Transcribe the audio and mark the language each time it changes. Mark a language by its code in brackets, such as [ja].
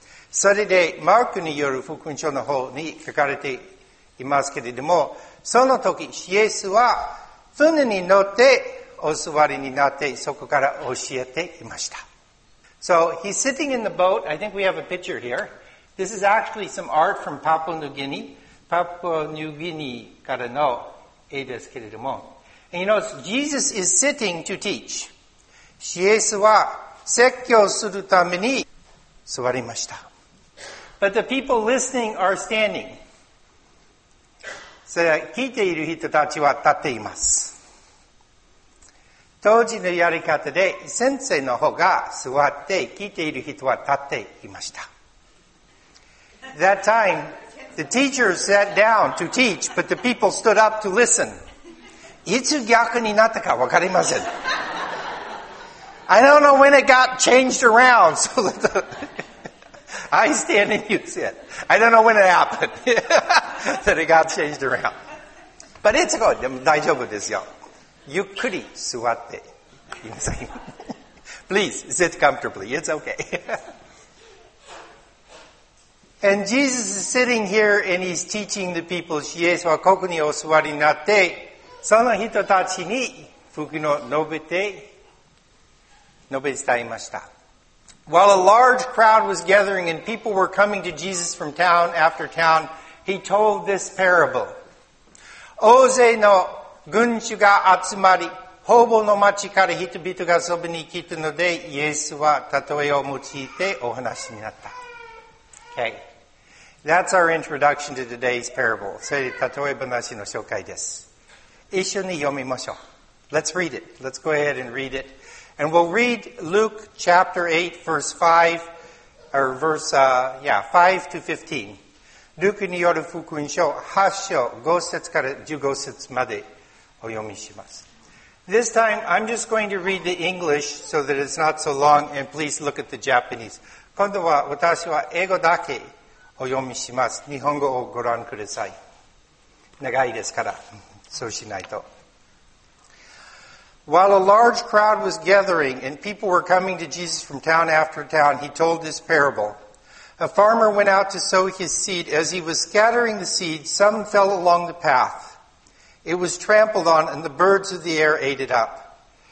[ja] それで、マークによる福音書の方に書かれていますけれども、その時、イエスは船に乗ってお座りになってそこから教えていました。 [en] So he's sitting in the boat. I think we have a picture here. This is actually some art from Papua New Guinea. [ja] Papua New Guinea からの絵ですけれども。 [en] And you notice Jesus is sitting to teach. [ja] イエスは説教するために座りました。 [en] But the people listening are standing. [ja] それ聞いている人たちは立っています。当時のやり方で先生の方が座って聞いている人は立っていました。 [en] That time, the teacher sat down to teach, but the people stood up to listen. [ja] いつ逆になったかわかりません。 [en] I don't know when it got changed around, so that the, I stand and you sit. I don't know when it happened, that it got changed around. But it's good, [ja] でも大丈夫ですよ。ゆっくり座ってください。 [en] Please, sit comfortably. It's okay. And Jesus is sitting here and he's teaching the people. [ja] イエスはここにお座りになって、その人たちに福音を述べ伝えました。 [en] While a large crowd was gathering and people were coming to Jesus from town after town, he told this parable. [ja] 大勢の群衆が集まり、方々の町から人々が遊びに来たので、イエスは例えを用いてお話になった。 [en] Okay. That's our introduction to today's parable. [ja] それで例え話の紹介です。一緒に読みましょう。 [en] Let's read it. Let's go ahead and read it. And we'll read Luke chapter 8 verse 5, or verse, 5 to 15. [ja] ルクによる福音書8章5節から15節までお読みします。 [en] This time, I'm just going to read the English so that it's not so long and please look at the Japanese. [ja] 今度は私は英語だけお読みします。日本語をご覧ください。長いですから、そうしないと。 [en] While a large crowd was gathering and people were coming to Jesus from town after town, he told this parable. A farmer went out to sow his seed. As he was scattering the seed, some fell along the path. It was trampled on, and the birds of the air ate it up.